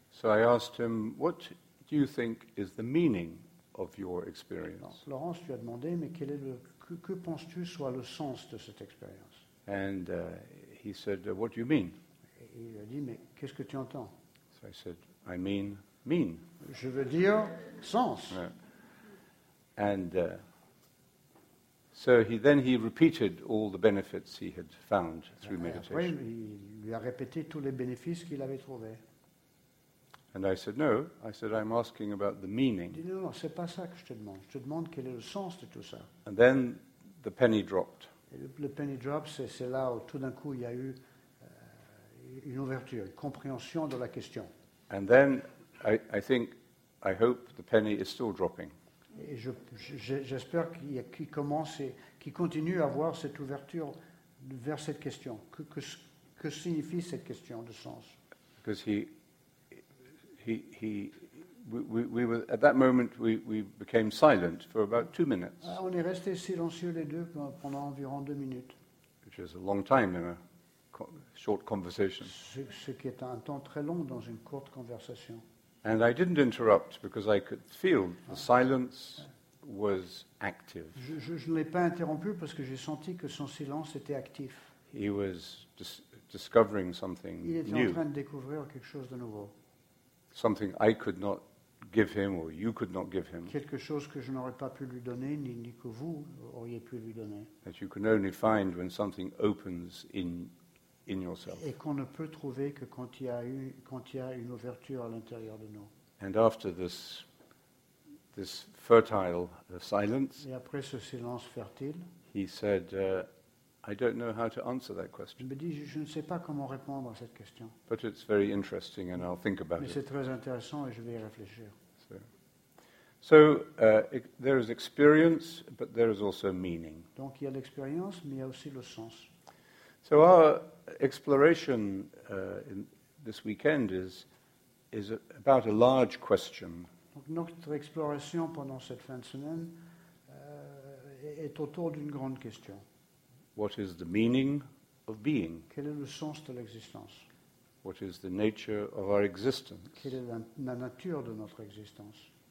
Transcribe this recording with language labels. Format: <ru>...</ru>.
<en>So I asked him, "What do you think is the meaning of your experience?"</en> <fr>Laurence lui a demandé, mais quel est que penses-tu soit le sens de cette expérience?</fr> <en>And he said, "What do you mean?"</en> <fr>Il a dit, mais qu'est-ce que tu entends?</fr> <en>So I said, "I mean, mean."</en> <fr>Je veux dire sens.</fr> <en>And so he repeated all the benefits he had found through meditation.</en> <fr>Après, il lui a répété tous les bénéfices qu'il avait trouvés.</fr> <en>And I said, "No." I said, "I'm asking about the meaning."</en> <fr>Il dit, non, c'est pas ça que je te demande. Je te demande quel est le sens de tout ça.</fr> <en>And then the penny dropped.</en> <fr>Et le</fr> <en>penny drop,</en> <fr>c'est là où tout d'un coup il y a eu une ouverture, une compréhension de la question.</fr> <en>And then I think, I hope the penny is still dropping.</en> <fr>Et j'espère qu'il commence et qu'il continue à avoir cette ouverture vers cette question. Que signifie cette question de sens?</fr> <en>Because we were at that moment we became silent for about 2 minutes.</en> <fr>On est resté silencieux les deux pendant environ 2 minutes.</fr> <en>Which is a long time in a short conversation.</en> <fr>Ce qui est un temps très long dans une courte conversation.</fr> <en>And I didn't interrupt because I could feel the silence was active.</en> <fr>Je ne l'ai pas interrompu parce que j'ai senti que son silence était actif.</fr> <en>He was discovering something new.</en> <fr>Il était</fr> <en>new.</en> <fr>En train de découvrir quelque chose de nouveau.</fr> <en>Something I could not give him or you could not give him.</en> <fr>Quelque chose que je n'aurais pas pu lui donner ni que vous auriez pu lui donner.</fr> <en>That you can only find when something opens in yourself.</en> <fr>Et qu'on ne peut trouver que quand il y a une ouverture à l'intérieur de nous.</fr> <en>And after this fertile silence.</en> <fr>Et après ce silence fertile.</fr> <en>He said, "I don't know how to answer that question."</en> <fr>Il me dit, je ne sais pas comment répondre à cette question.</fr> <en>But it's very interesting, and I'll think about it.</en> <fr>Mais c'est très intéressant, et je vais y réfléchir.</fr> <en>So there is experience, but there is also meaning.</en> <fr>Donc il y a l'expérience, mais il y a aussi le sens.</fr> <en>So our exploration this weekend is about a large question.</en> <fr>Donc notre exploration pendant cette fin de semaine est autour d'une grande question.</fr> <en>What is the meaning of being?</en> <fr>Quel est le sens de l'existence?</fr> <en>What is the nature of our existence?</en> <fr>Quelle est la nature de notre existence?</fr>